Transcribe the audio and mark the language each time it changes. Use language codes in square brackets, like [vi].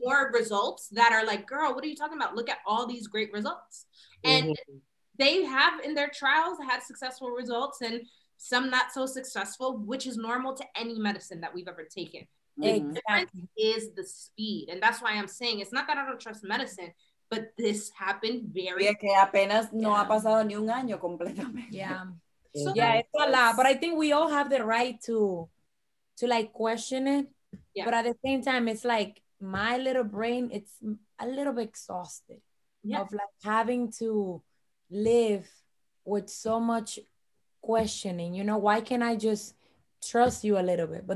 [en] more results that are like, girl, what are you talking about? Look at all these great results and they have in their trials had successful results and some not so successful, which is normal to any medicine that we've ever taken. Exactly. Is the speed, and that's why I'm saying it's not that I don't trust medicine, but this happened very [es] que apenas no ha pasado ni un año completamente. [en] It's a lot, but I think we all have the right to like question it, but at the same time, it's like my little brain, it's a little bit exhausted of like having to live with so much questioning, you know, why can't I just trust you a little bit?